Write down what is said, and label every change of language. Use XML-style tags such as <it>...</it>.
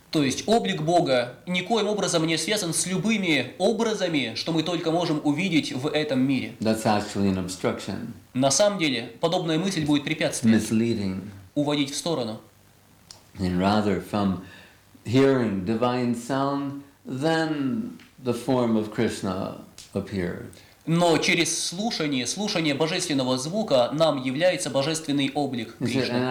<ru>То есть облик Бога никоим образом не связан с любыми образами, что мы только можем увидеть в этом мире.</ru> <en>That's actually an obstruction.</en> <ru>На самом деле подобная мысль будет препятствием.</ru> <en>Misleading.</en> <ru>Уводить в сторону.</ru> <en>And rather from hearing divine sound, then the form of Krishna appears.</en> <ru>Но через слушание божественного звука нам является божественный облик Кришны.</ru>